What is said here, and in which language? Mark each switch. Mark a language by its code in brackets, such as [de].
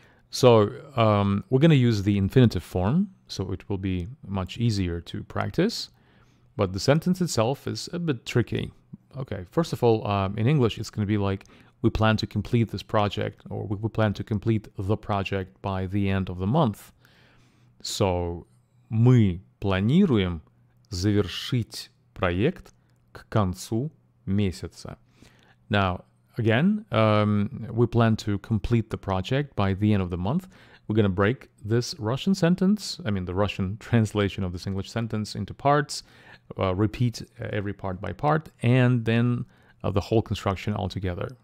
[en] So, we're going to use the infinitive form, so it will be much easier to practice. But the sentence itself is a bit tricky. Okay, first of all, in English, it's going to be like, we plan to complete this project, or we plan to complete the project by the end of the month. [ru] So, мы планируем завершить проект к концу месяца. [en] Now, again, we plan to complete the project by the end of the month. We're going to break this Russian sentence, I mean the Russian translation of this English sentence, into parts, repeat every part by part, and then of the whole construction altogether.